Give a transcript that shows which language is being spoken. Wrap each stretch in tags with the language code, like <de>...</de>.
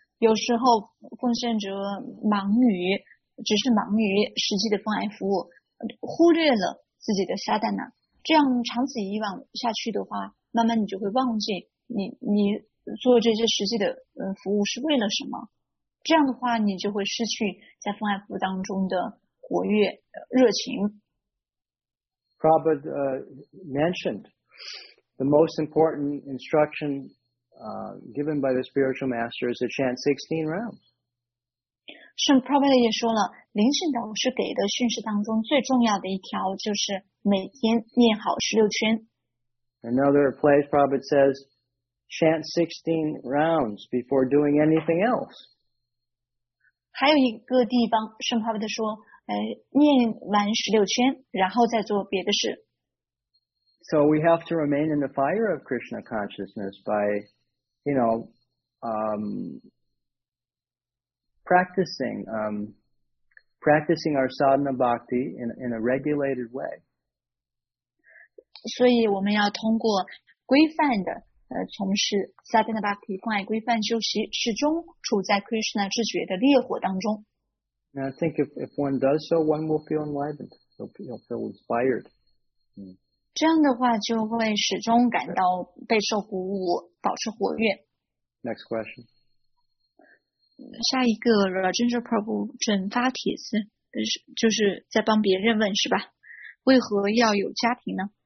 <zh>有时候奉献者忙于只是忙于实际的奉爱服务，忽略了自己的沙旦呢，这样长此以往下去的话，慢慢你就会忘记你做这些实际的服务是为了什么，这样的话你就会失去在奉爱服务当中的活跃热情。</zh> <en>Prabhupada mentioned the most important instructiongiven by the spiritual master is to chant 16 rounds.</en> <zh>圣帕瓦迪也说了，灵训导师给的训示当中最重要的一条就是每天念好16圈。</zh> <en>Another place Prabhupada says, chant 16 rounds before doing anything else.</en> <zh>还有一个地方圣帕瓦迪说，念完16圈然后再做别的事。</zh> <en>So we have to remain in the fire of Krishna consciousness by, you know, practicing our sadhana bhakti in a regulated way.</en> <zh>所以我们要通过规范的从事 sadhana bhakti 奉爱规范修习，始终处在 Krishna 智觉的烈火当中。</zh> <en>And I think if one does so, one will feel enlivened. He'll feel inspired.</en> <zh>这样的话就会始终感到备受鼓舞，保持活跃。</zh> <en>Next question.</en> <zh>下一个 Rajendra Prabhu 转发帖子，就是在帮别人问是吧？为何要有家庭呢？</zh>